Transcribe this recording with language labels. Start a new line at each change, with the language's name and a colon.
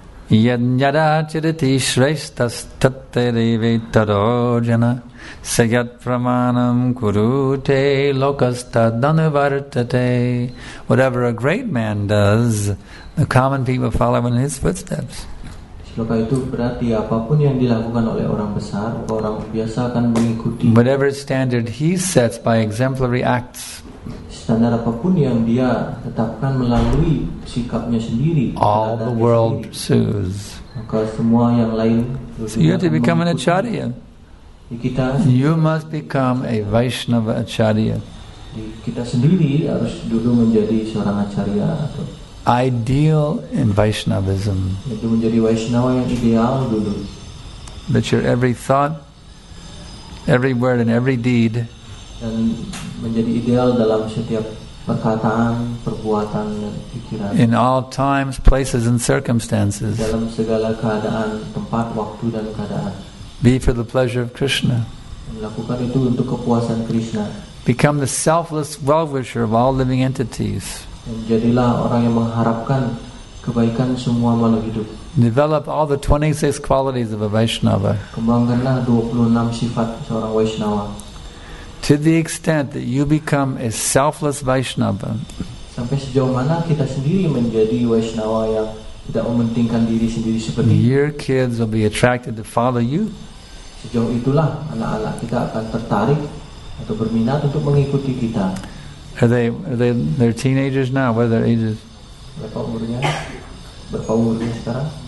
Sanskrit: Yadnyada chiriti shrestas tattarevi tarojana sayat pramanam kurute lokasta danuvartate.
English: Whatever a great man does, the common people follow in his footsteps.
Indonesian: Shloka itu berarti apapun yang dilakukan oleh orang besar, orang biasa akan mengikuti.
English: Whatever standard he sets by exemplary acts.
Indonesian: Standar apapun yang dia tetapkan melalui sikapnya sendiri.
English: All the world pursues.
Indonesian: Maka semua yang lain.
English: So you have to become an acharya.
Indonesian: Kita.
English: You must become a Vaishnava acharya.
Indonesian: Kita sendiri harus dulu menjadi seorang acharya atau.
English: Ideal in Vaishnavism.
Indonesian: Itu menjadi Vaishnava yang ideal dulu.
English: That your every thought, every word, and every deed.
Indonesian: Dan menjadi ideal dalam setiap perkataan, perbuatan, dan pikiran.
English: In all times, places, and circumstances.
Indonesian: Dalam segala keadaan, tempat, waktu, dan keadaan.
English: Be for the pleasure of Krishna.
Indonesian: Lakukan itu untuk kepuasan Krishna.
English: Become the selfless well-wisher of all living entities.
Indonesian: Jadilah orang yang mengharapkan kebaikan semua makhluk hidup.
English: Develop all the 26 qualities of a Vaishnava.
Indonesian: Kembangkanlah 26 sifat seorang Vaishnava.
English: To the extent that you become a selfless Vaishnava,
Indonesian: sampai sejauh mana kita sendiri menjadi Vaishnava yang tidak mementingkan diri sendiri seperti itu,
English: your kids will be attracted to follow you.
Indonesian: Sejauh itulah anak-anak kita akan tertarik atau berminat untuk mengikuti kita.
English: Are they they're teenagers now? What are their ages?
Indonesian: Berapa umurnya sekarang?